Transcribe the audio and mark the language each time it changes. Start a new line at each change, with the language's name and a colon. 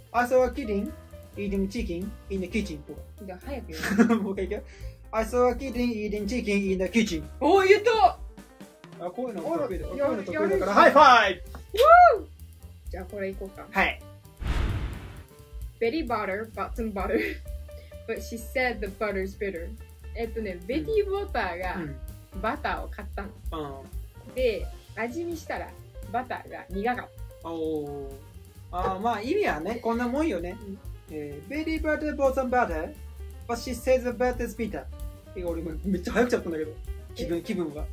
English: I saw a kitten eating chicken in the kitchen.
Japanese: じゃあ早くよ。もう一回いくよ。
English: I saw a kitten eating chicken in the kitchen.
Japanese: おー、言った！あ、こういうの得意だ。こういうの得意だから。ハイファイブ！ウォー！じゃあこれいこうか。はい。
English: Betty bought her bought some butter, but she said the butter's bitter.
Japanese: ね、Betty Butter がバターを買ったの。うん。で、味見したらバターが苦かった。おー。あー、まあ意味はね、こんなもんよね。
English: Betty Butter bought some butter. But she says the butter's bitter.
Japanese: 俺今めっちゃ早くちゃったんだけど、気分が。